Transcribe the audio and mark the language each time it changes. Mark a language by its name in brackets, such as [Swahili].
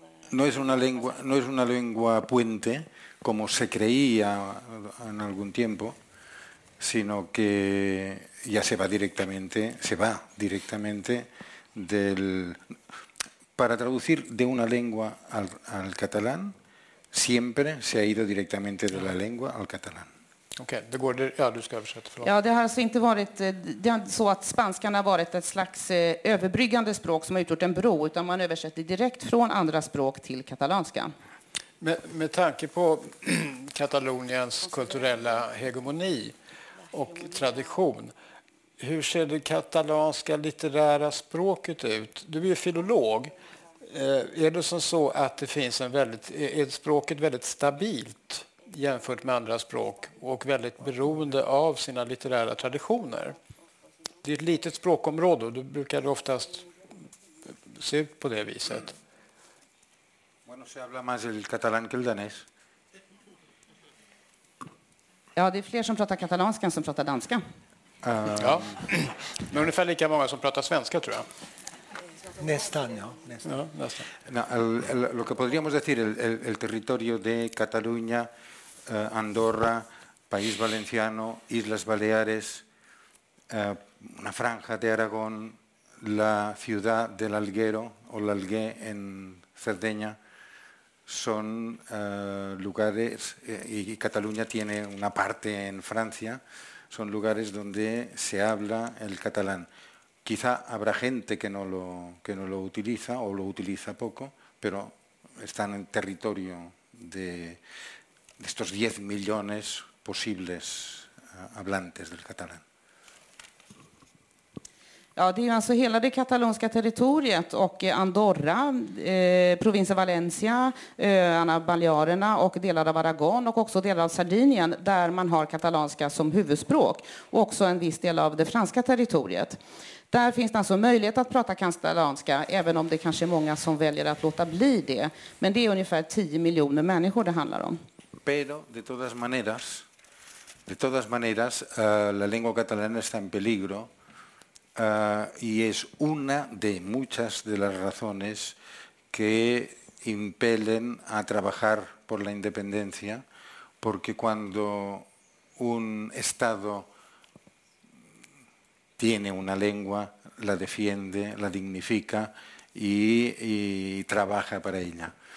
[Spanish] No es una lengua, no es una lengua puente como se creía en algún tiempo, sino que ya se va directamente del para traducir de una lengua al catalán siempre se ha ido directamente de la lengua al catalán. [Swedish] Okej, okay, det går det, ja, du ska översätta förlåt. Ja, det har alltså inte varit det har så att spanskan har varit ett slags överbryggande språk som har utgjort en bro utan man översätter direkt från andra språk till katalanska. Med tanke på Kataloniens kulturella hegemoni och tradition, hur ser det katalanska litterära språket ut? Du är ju filolog. Är det som så att det finns en väldigt är språket väldigt stabilt jämfört med andra språk och väldigt beroende av sina litterära traditioner? Det är ett litet språkområde och du brukar oftast se ut på det viset. [Spanish] Bueno, se habla más el catalán que el danés. [Swedish] Ja, det är fler som pratar katalanska än som pratar danska. Ja, men ungefär lika många som pratar svenska tror jag. Nästan, ja. Nästan. [Spanish] Lo que podríamos decir, el territorio de Cataluña, Andorra, País Valenciano, Islas Baleares, una franja de Aragón, la ciudad del Alguero o el Algué en Cerdeña, son lugares, y Cataluña tiene una parte en Francia, son lugares donde se habla el catalán. Quizá habrá gente que no lo utiliza o lo utiliza poco, pero están en territorio de estos 10 millones posibles hablantes del catalán. [Swedish] Ja, det är alltså hela det katalanska territoriet och Andorra, provinsen Valencia, öarna Balearerna och delar av Aragon och också delar av Sardinien där man har katalanska som huvudspråk och också en viss del av det franska territoriet. Där finns det alltså möjlighet att prata katalanska även om det kanske är många som väljer att låta bli det, men det är ungefär 10 miljoner människor det handlar om. [Spanish] Pero de todas maneras la lengua catalana está en peligro y es una de muchas de las razones que impelen a trabajar por la independencia, porque cuando un estado tiene una lengua, la defiende, la dignifica y trabaja para ella.